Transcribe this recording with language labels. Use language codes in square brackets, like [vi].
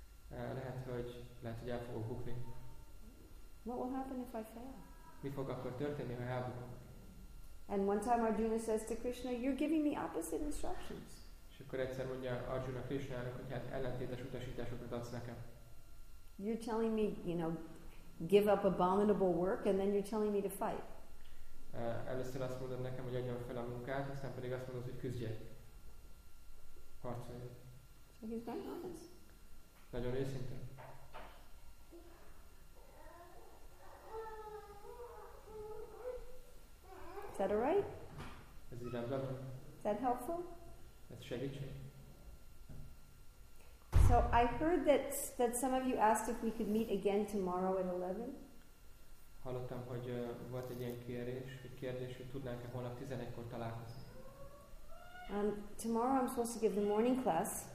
[hu] Lehet, hogy el fogok bukni. [en] What will happen if I fail? [hu] Mi fog akkor történni, ha elbukok? [en] And one time Arjuna says to Krishna, you're giving me opposite instructions. [hu] És akkor egyszer mondja Arjuna Krishnának, hogy hát ellentétes utasításokat adsz nekem. [en] You're telling me, you know, give up abominable work, and then you're telling me to fight. [hu] Először azt mondod nekem, hogy adjam fel a munkát, aztán pedig azt mondod, hogy küzdjek. Harcolj. [en] So he's very honest. [hu] Nagyon őszinte. [en] Is that all right? [hu] Ez így rendben. [en] Is that helpful? [hu] Ez segítség. [en] So I heard that some of you asked if we could meet again tomorrow at 11. [hu] Hallottam, hogy volt egy ilyen kérdés, hogy tudnánk-e holnap 11-kor találkozni. [en] Tomorrow I'm supposed to give the morning class.